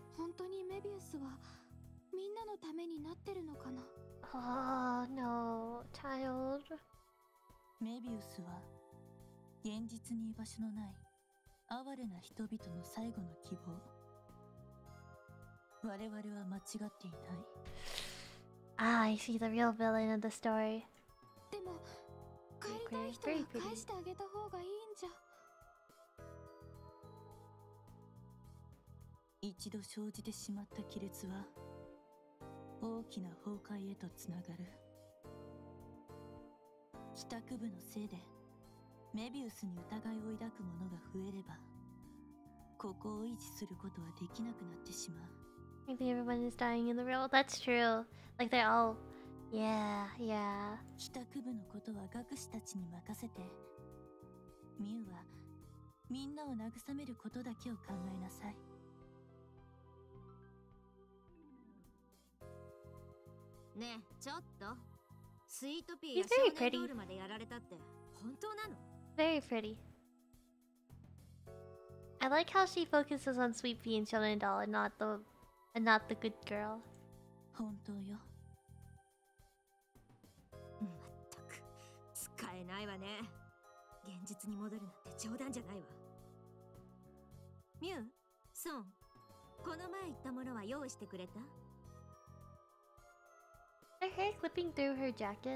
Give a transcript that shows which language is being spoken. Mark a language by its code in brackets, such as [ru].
[ja] 本当にメビウスはみんなのためになってるのかな。 [en] Oh, no, child. [ja] メビウスは現実に居場所のない哀れな人々の最後の希望。我々は間違っていない。 [en] I see the real villain of the story. [ja] でも帰りたい人は返してあげた方がいいんじゃ。一度生じてしまった亀裂は大きな崩壊へとつながる。帰宅部のせいでメビウスに疑いを抱く者が増えればここを維持することはできなくなってしまう。 [en] I think everyone is dying in the real world. That's true. Like they're all Yeah. [ja] 帰宅部のことは学士たちに任せて。ミュウはみんなを慰めることだけを考えなさい。ねえ、ちょっと。スイートピーやシャーネドールまでやられたって本当なの？ [en] Very pretty. I like how she focuses on Sweet Pea and Shonen Doll and not the good girl. [ja] 本当よ。まったく使えないわね。現実に戻るなんて冗談じゃないわ。ミュウ、ソン、この前言ったものは用意してくれた？ [en] Her hair clipping through her jacket.